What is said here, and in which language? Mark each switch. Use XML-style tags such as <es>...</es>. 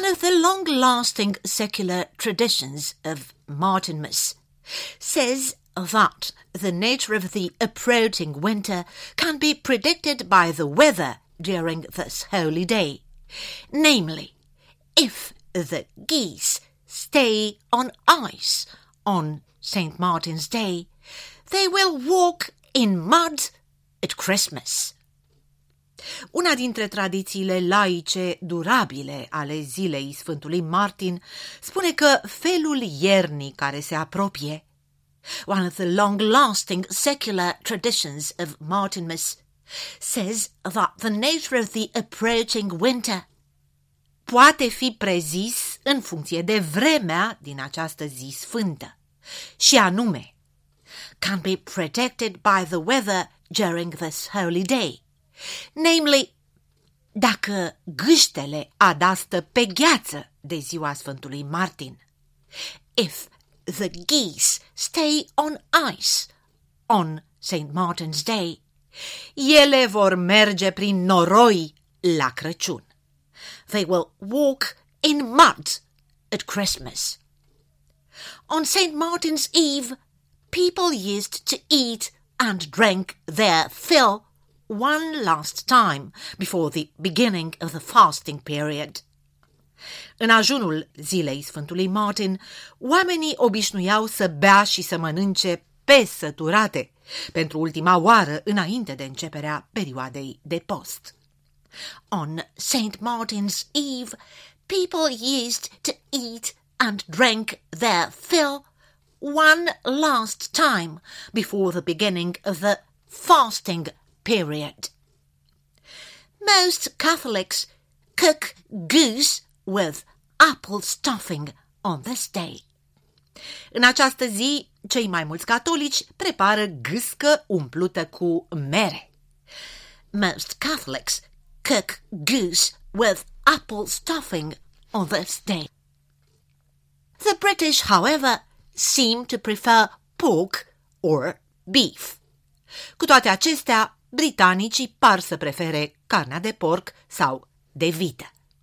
<en>Long-lasting secular traditions of Martinmas says that the nature of the approaching winter can be predicted by the weather during this holy day. Namely, if the geese stay on ice on St. Martin's Day, they will walk in mud at Christmas.</en> <ro>Una dintre tradițiile laice durabile ale zilei Sfântului Martin spune că felul iernii care se apropie.</ro> <en>One of the long-lasting secular traditions of Martinmas says that the nature of the approaching winter</en> <ro>poate fi prezis în funcție de vremea din această zi sfântă, și anume</ro> <en>can be predicted by the weather during this holy day.</en> <ro>Namely, dacă gâștele adastă pe gheață de ziua Sfântului Martin.</ro> <en>If the geese stay on ice on St. Martin's Day,</en> <ro>ele vor merge prin noroi la Crăciun.</ro> <en>They will walk in mud at Christmas. On St. Martin's Eve, people used to eat and drink their fill one last time before the beginning of the fasting period.</en> <ro>În ajunul zilei Sfântului Martin, oamenii obișnuiau să bea și să mănânce pe săturate pentru ultima oară înainte de începerea perioadei de post.</ro> <en>On St. Martin's Eve, people used to eat and drink their fill one last time before the beginning of the fasting period. Most Catholics cook goose with apple stuffing on this day.</en> <ro>În această zi, cei mai mulți catolici prepară gâscă umplută cu mere.</ro> <en>Most Catholics cook goose with apple stuffing on this day. The British, however, seem to prefer pork or beef.</en> <ro>Cu toate acestea, britanicii par să prefere carnea de porc sau de vită.</ro>